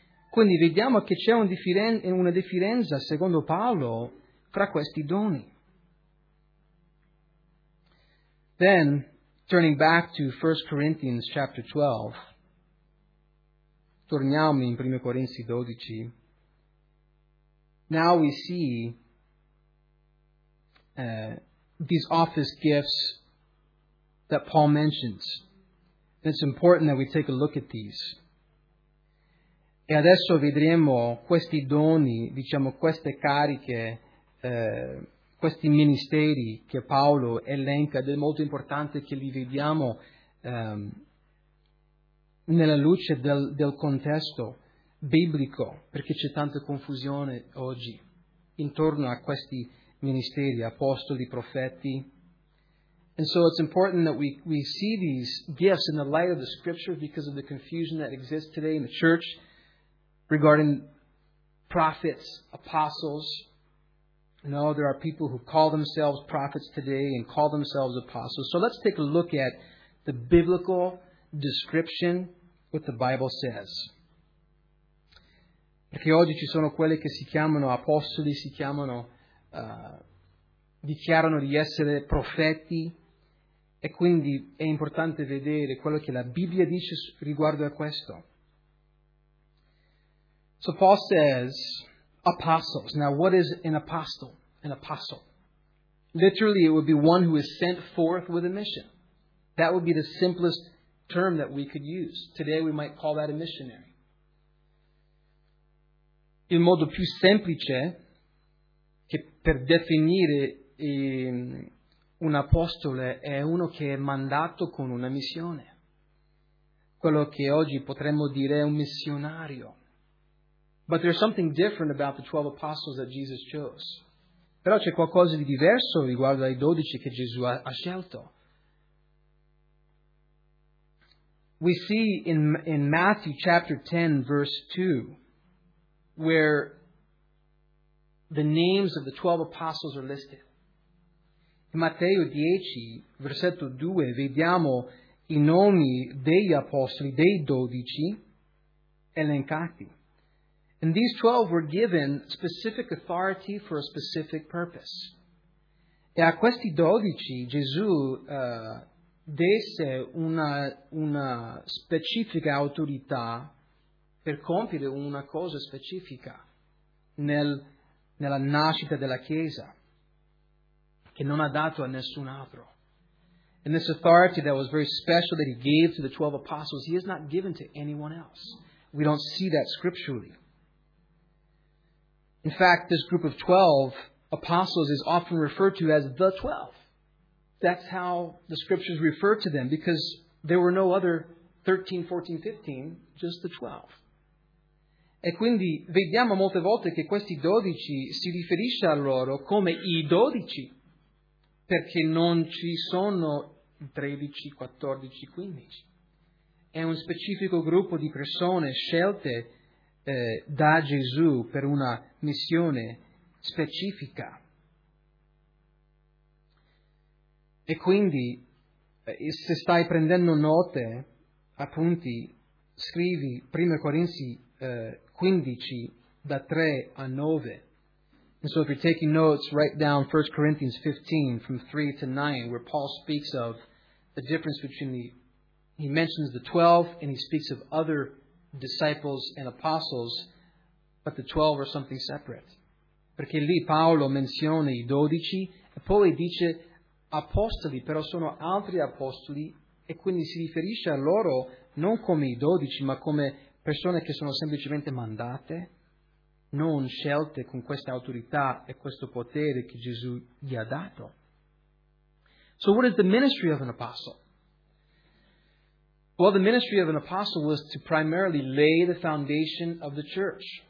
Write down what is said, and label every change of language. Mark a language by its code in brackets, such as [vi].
[it] Quindi vediamo che c'è una differenza, secondo Paolo, fra questi doni. [en] Then, turning back to 1 Corinthians chapter 12, [it] torniamo in 1 Corinzi 12, [en] now we see these office gifts that Paul mentions. And it's important that we take a look at these. [it] E adesso vedremo questi doni, diciamo queste cariche, questi ministeri che Paolo elenca, ed è molto importante che li vediamo nella luce del contesto biblico, perché c'è tanta confusione oggi intorno a questi ministeri, apostoli, profeti. [en] And so it's important that we see these gifts in the light of the scripture because of the confusion that exists today in the church regarding prophets, apostles. No, there are people who call themselves prophets today and call themselves apostles. So let's take a look at the biblical description, what the Bible says. [it] Perché oggi ci sono quelli che si chiamano apostoli, si chiamano, dichiarano di essere profeti. E quindi è importante vedere quello che la Bibbia dice riguardo a questo. [en] So Paul says, apostles. Now what is an apostle? An apostle. Literally it would be one who is sent forth with a mission. That would be the simplest term that we could use. Today we might call that a missionary. [it] Il modo più semplice che per definire un apostolo è uno che è mandato con una missione. Quello che oggi potremmo dire è un missionario. [en] But there's something different about the 12 apostles that Jesus chose. [it] Però c'è qualcosa di diverso riguardo ai 12 che Gesù ha scelto. [en] We see in Matthew chapter 10 verse 2 where the names of the 12 apostles are listed. [it] In Matteo 10 versetto 2 vediamo i nomi degli apostoli, dei 12 elencati. [en] And these 12 were given specific authority for a specific purpose. [it] E a questi 12 Gesù desse una specifica autorità per compiere una cosa specifica nella nascita della Chiesa, che non ha dato a nessun altro. [en] And this authority that was very special that he gave to the 12 apostles, he has not given to anyone else. We don't see that scripturally. In fact, this group of 12 apostles is often referred to as the 12. That's how the scriptures refer to them, because there were no other 13, 14, 15, just the 12. [it] E quindi vediamo molte volte che questi 12 si riferisce a loro come i 12, perché non ci sono 13, 14, 15. È un specifico gruppo di persone scelte da Gesù per una missione specifica. E quindi, se stai prendendo note, appunti, scrivi 1 Corinzi 15, da 3 a 9. [en] And so if you're taking notes, write down 1 Corinthians 15, from 3 to 9, where Paul speaks of the difference between he mentions the 12, and he speaks of other disciples and apostles, but the 12 are something separate. [it] Perché lì Paolo menziona i 12, e poi dice apostoli, però sono altri apostoli, e quindi si riferisce a loro non come i 12, ma come persone che sono semplicemente mandate, non scelte con questa autorità e questo potere che Gesù gli ha dato. [en] So what is the ministry of an apostle? Well, the ministry of an apostle was to primarily lay the foundation of the church.